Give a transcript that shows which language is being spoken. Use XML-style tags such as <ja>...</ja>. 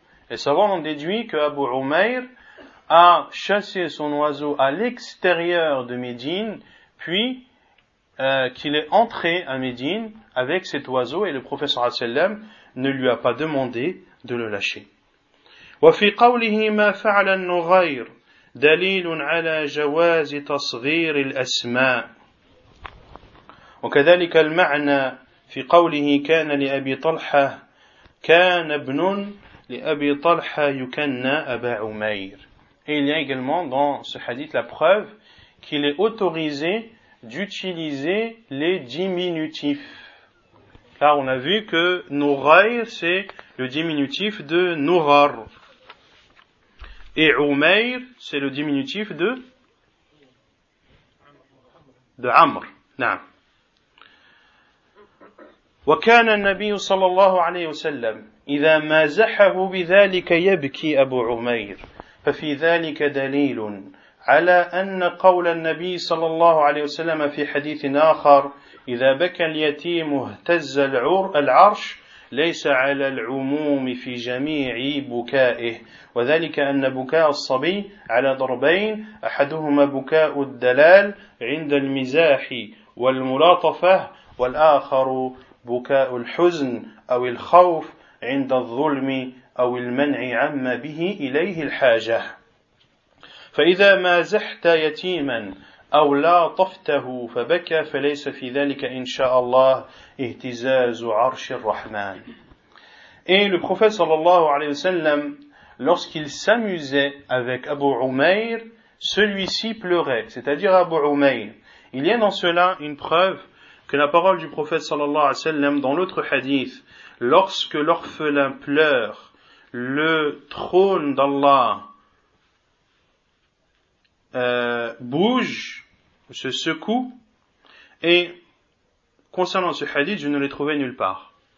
<fr>Et savants ont déduit que Abu Umayr a chassé son oiseau à l'extérieur de Médine, puis qu'il est entré à Médine avec cet oiseau et le prophète sallallahu alayhi wa sallam ne lui a pas demandé de le lâcher.</fr> <ar>وفي قوله ما فعل النغير دليل على جواز تصغير الأسماء. وكذلك المعنى في قوله كان لأبي طلحة كان ابن لأبي طلحة يكنى أبا عمير.</ar> <fr>Et il y a également dans ce hadith la preuve qu'il est autorisé d'utiliser les diminutifs. Car on a vu que Nughayr, c'est le diminutif de Nughar. Et Umayr, c'est le diminutif de Amr. Non.</fr> <ar>وكان النبي صلى الله عليه وسلم إذا مازحه بذلك يبكي أبو عمير ففي ذلك دليل على أن قول النبي صلى الله عليه وسلم في حديث آخر إذا بكى اليتيم اهتز العرش ليس على العموم في جميع بكائه وذلك أن بكاء الصبي على ضربين أحدهما بكاء الدلال عند المزاح والملاطفة والآخر بكاء الحزن أو الخوف عند الظلم أو المنع عما به إليه الحاجة فإذا ما زحت يتيما أو لاطفته فبكى فليس في ذلك إن شاء الله اهتزاز عرش الرحمن.</ar> <fr>Et le prophète sallallahu alayhi wa sallam, lorsqu'il s'amusait avec Abu Umayr, celui-ci pleurait, c'est-à-dire Abu Umayr. Il y a dans cela une preuve que la parole du prophète sallallahu alayhi wa sallam dans l'autre hadith, lorsque l'orphelin pleure, le trône d'Allah bouge, se secoue, et concernant ce hadith, je ne l'ai trouvé nulle part.</fr>